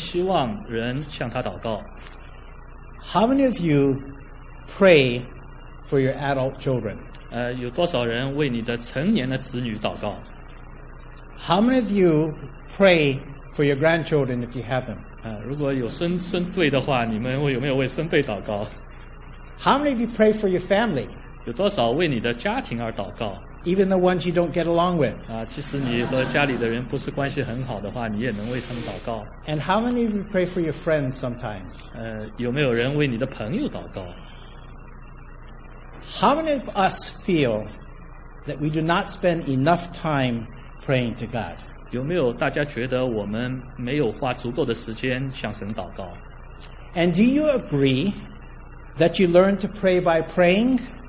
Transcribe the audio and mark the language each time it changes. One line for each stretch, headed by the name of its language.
Chinese: 你们多少有多少知道神希望人向他祷告？
English: How many of you pray for your adult children?
Chinese: 有多少人为你的成年的子女祷告？
English: How many of you pray for your grandchildren if you have them?
Chinese: 如果有孙辈的话，你们有没有为孙辈祷告？
English: How many of you pray for your family?
Chinese: 有多少为你的家庭而祷告？
English: Even the ones you don't get along with.
Chinese: 即使你和家里的人不是关系很好的话，你也能为他们祷告。
English: And how many of you pray for your friends sometimes?
Chinese: 有没有人为你的朋友祷告？
English: How many of us feel that we do not spend enough time praying to God?
Chinese: 有没有大家觉得我们没有花足够的时间向神祷告？
English: And do you agree that you learn to pray by praying?